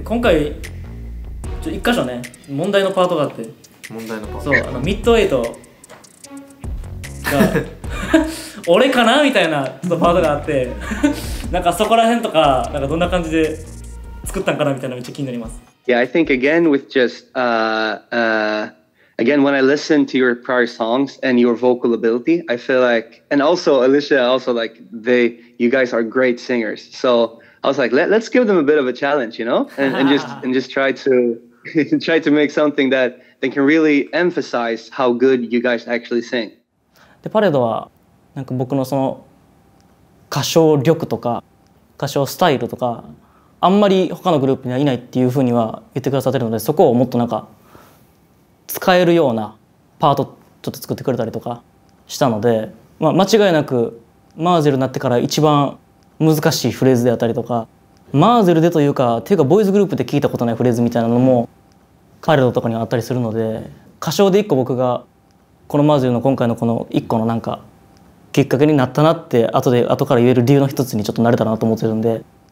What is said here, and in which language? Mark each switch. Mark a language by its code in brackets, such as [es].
[ja] 今回一箇所ね問題のパートがあって問題のパートそうあのミッドエイトが俺かなみたいなちょっとパートがあってなんかそこら辺とかなんかどんな感じで作ったんかなみたいなめっちゃ気になります。 [en] Yeah, I think again with just again when I listened to your prior songs and your vocal ability, I feel like and also Alicia also like they you guys are great singers. So I was like let's give them a bit of a challenge, you know, and just try to try to make something that they can really emphasize how good you guys actually sing. [ja] で、パレードはなんか僕のその歌唱力とか歌唱スタイルとか。あんまり他のグループにはいないっていうふうには言ってくださってるのでそこをもっとなんか使えるようなパートちょっと作ってくれたりとかしたので、まあ、間違いなくマーゼルになってから一番難しいフレーズであったりとかマーゼルでというかていうかボーイズグループで聞いたことないフレーズみたいなのも彼らとかにはあったりするので歌唱で一個僕がこのマーゼルの今回のこの一個のなんかきっかけになったなって後から言える理由の一つにちょっとなれたらなと思ってるんで